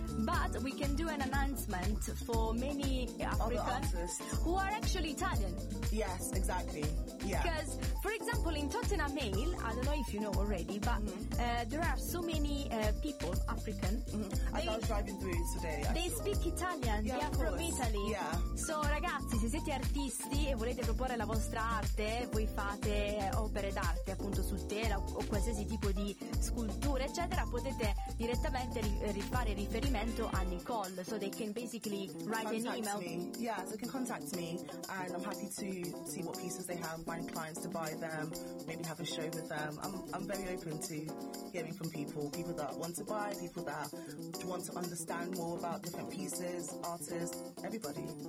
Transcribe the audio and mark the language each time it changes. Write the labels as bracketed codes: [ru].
[en] But we can do an announcement for many Africans who are actually Italian. Yes, exactly. Yeah. Because, for example, in Tottenham Mail, I don't know if you know already, but there are so many people, African. Mm-hmm. I was driving through today. Speak Italian. Yeah, they are from Italy. Yeah. [it] So, ragazzi, se siete artisti e volete proporre la vostra arte, voi fate opere d'arte, appunto, su tela o qualsiasi tipo di scultura, eccetera, potete direttamente rifare riferimento a Nicole. [en] So they can basically write contact an email. Me. Yeah, so they can contact me, and I'm happy to see what pieces they have, find clients to buy them, maybe have a show with them. I'm very open to hearing from people that want to buy, people that want to understand more about different pieces, artists, everybody.